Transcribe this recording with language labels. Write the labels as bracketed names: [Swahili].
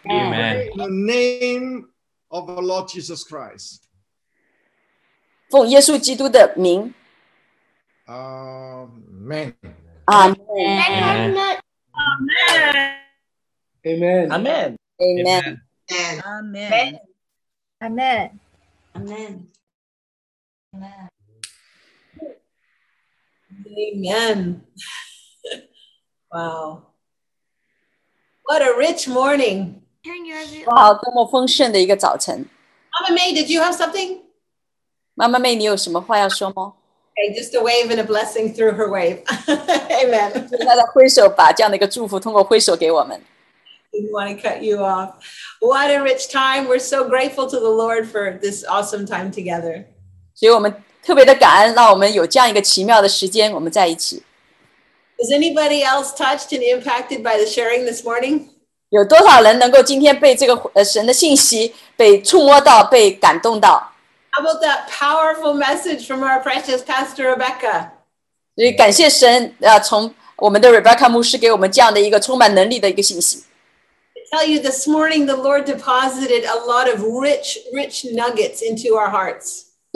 [English] Amen. In the name of the Lord Jesus Christ. [Chinese] 奉耶稣基督的名。 [English] Amen. Amen. Amen. Amen. Amen. Amen. Amen. Amen. Amen. Amen. Amen. Amen. Amen. Wow. What a rich morning. [Chinese] 哇，多么丰盛的一个早晨！ [English] Mama May, did you have something? [Chinese] Mama May, 你有什么话要说吗？ [English] Okay, just a wave and a blessing through her wave. Amen. [Chinese] 她在挥手，把这样的一个祝福通过挥手给我们。 [English] Didn't want to cut you off. What a rich time! We're so grateful to the Lord for this awesome time together. [Chinese] 所以我们特别的感恩，让我们有这样一个奇妙的时间，我们在一起。 [English] Is anybody else touched and impacted by the sharing this morning? [Chinese] 有多少人能够今天被这个神的信息被触摸到，被感动到？ [English] How about that powerful message from our precious Pastor Rebecca? [Chinese] 所以感谢神，从我们的 Rebecca 牧师给我们这样的一个充满能力的一个信息。 [English] I tell you, this morning the Lord deposited a lot of rich, rich nuggets into our hearts.